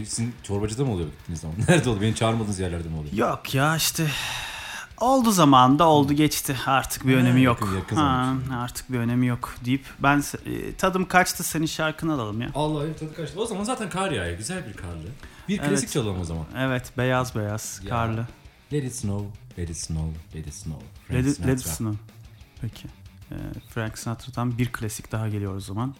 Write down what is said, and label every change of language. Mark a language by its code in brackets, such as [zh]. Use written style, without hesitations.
[tr] Bu sizin çorbacıda mı oluyor gittiğiniz zaman? Nerede oldu? Beni çağırmadığınız yerlerde mi oluyor? Yok ya işte oldu zamanında oldu geçti. Artık bir önemi yok. Artık bir önemi yok deyip ben tadım kaçtı senin şarkını alalım ya. Allah'ım tadı kaçtı. O zaman zaten kar yağıyor. Güzel bir karlı. Bir evet. klasik çalalım o zaman. Evet beyaz beyaz ya. Karlı. [en] Let it snow, let it snow, let it snow. Let it snow. [tr] Peki. Frank Sinatra'dan bir klasik daha geliyor o zaman.